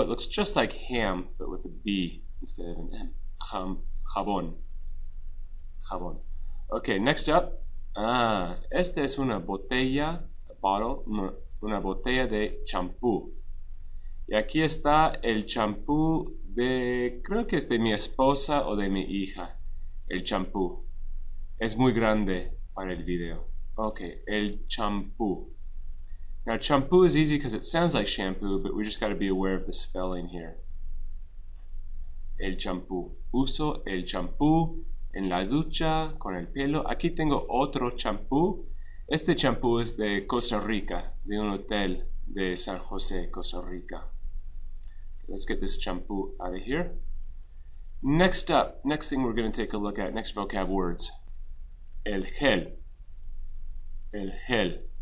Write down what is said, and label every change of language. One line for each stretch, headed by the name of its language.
English: It looks just like ham, but with a B instead of an M. Jabón. Jabón. Okay, next up.
Spanish: Ah, esta es una botella, bottle, una botella de champú. Y aquí está el champú de, creo que es de mi esposa o de mi hija. El champú. Es muy grande para el video. Okay, el champú.
English: Now, champú is easy because it sounds like shampoo, but we just got to be aware of the spelling here.
Spanish: El champú. Uso el champú en la ducha con el pelo. Aquí tengo otro champú. Este champú es de Costa Rica, de un hotel de San José, Costa Rica.
English: Let's get this champú out of here. Next up, next thing we're going to take a look at, next vocab words. El gel. El gel.